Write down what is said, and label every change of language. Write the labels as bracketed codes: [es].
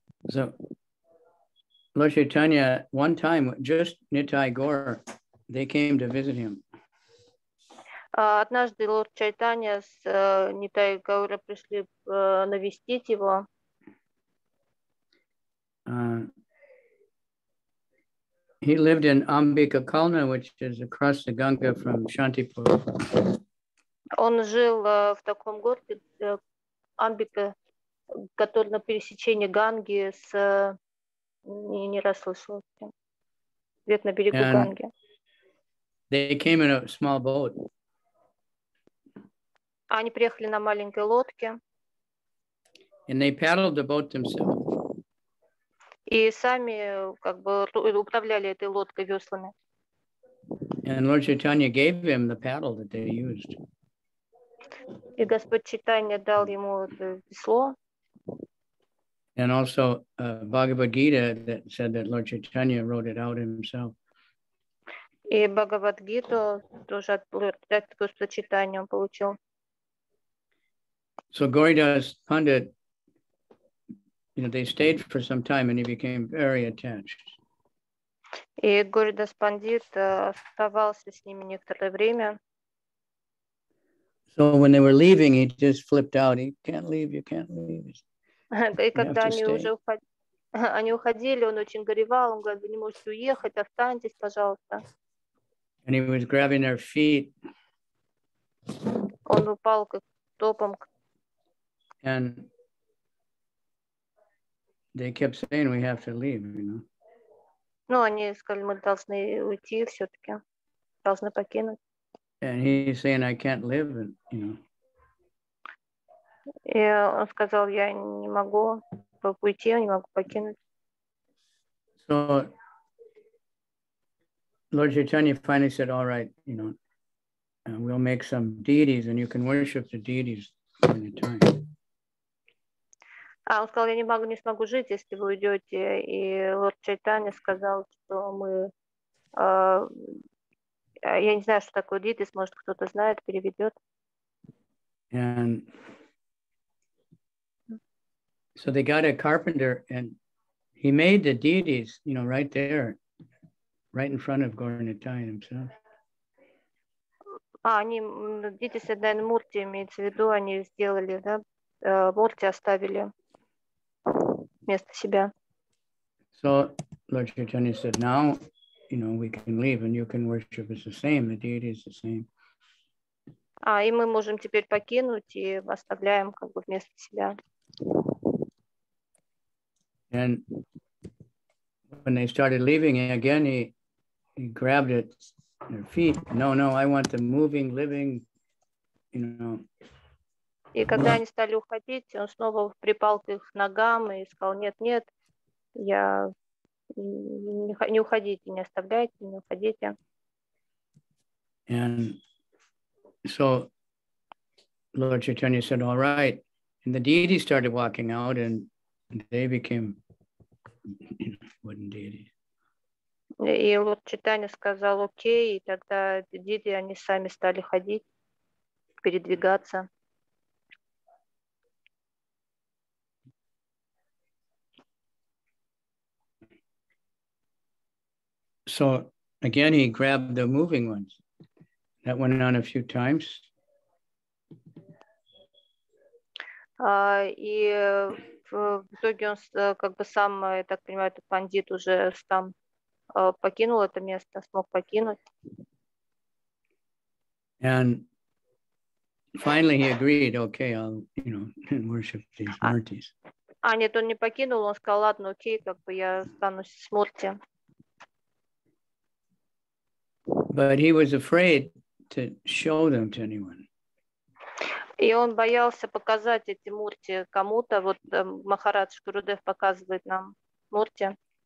[en] So, Lord Chaitanya, one time, just Nitai Gaur, they came to visit him. [ru] Однажды Лорд Чайтанья с Нитай Гаура пришли навестить его. [en] He lived in Ambika Kalna, which is across the Ganga from Shantipur. [ru] Он жил в таком городе Амбика, который на пересечении Ганги с не раз слышал, где-то на берегу [en] and [ru] Ганги. [en] They came in a small boat. [ru] Они приехали на маленькой лодке. [en] And they paddled the boat themselves. [ru] И сами как бы управляли этой лодкой веслами. [en] And Lord Chaitanya gave him the paddle that they used. [ru] И Господь Чайтанья дал ему это весло. [en] And also Bhagavad Gita that said that Lord Chaitanya wrote it out himself. [ru] И Бхагавад Гиту тоже от Господа Чайтанья он получил. [en] So Gauridas Pandit, you know, they stayed for some time and he became very attached. [ru] И Gauridas Pandit оставался с ними некоторое время. [en] So when they were leaving, he just flipped out. He can't leave, you can't leave. [ru] И когда они уходили, он очень горевал. Он говорит, вы не можете уехать, останьтесь, пожалуйста. [en] And he was grabbing their feet. [ru] Он упал как топом. [en] And they kept saying, we have to leave, you know. [ru] Ну, они сказали, мы должны уйти все-таки. Должны покинуть. [en] And he's saying, I can't live, you know. [ru] И он сказал, я не могу уйти, я не могу покинуть. [en] So, Lord Chaitanya finally said, all right, you know, we'll make some deities and you can worship the deities in the time. [ru] А он сказал, я не могу, не смогу жить, если вы уйдете. И Лорд Чайтанья сказал, что мы... я не знаю, что такое дитис, может, кто-то знает, переведет. [en] And so they got a carpenter and he made the deities, you know, right there, right in front of Gauranitai himself. [ru] А, они, дитис, наверное, мурти имеется в виду, они сделали, да, мурти оставили вместо себя. [en] So Lord Chaitanya said, now, you know, we can leave and you can worship as the same, the deity is the same. [ru] А, и мы можем теперь покинуть и оставляем как бы вместо себя. [en] And when they started leaving again, he grabbed at their feet. No, no, I want the moving, living, you know. [ru] И когда они стали уходить, он снова припал к их ногам и сказал, нет, нет, я... Не уходите, не оставляйте, не уходите. [en] And so Lord Chaitanya said, all right. And the deities started walking out and they became wooden deities. [ru] И Лорд Чайтанья сказал, окей, и тогда дети, они сами стали ходить, передвигаться. [en] So again, he grabbed the moving ones. That went on a few times. [ru] И в итоге он как бы сам, я так понимаю, этот пандит уже там покинул это место, смог покинуть. [en] And finally he agreed, okay, I'll, you know, worship these murtis. [ru] А нет, он не покинул, он сказал, ладно, окей, как бы я останусь с мурти. [en] But he was afraid to show them to anyone. [ru] И он боялся показать эти мурти кому-то. Вот Махарадж Гурудев показывает нам мурти.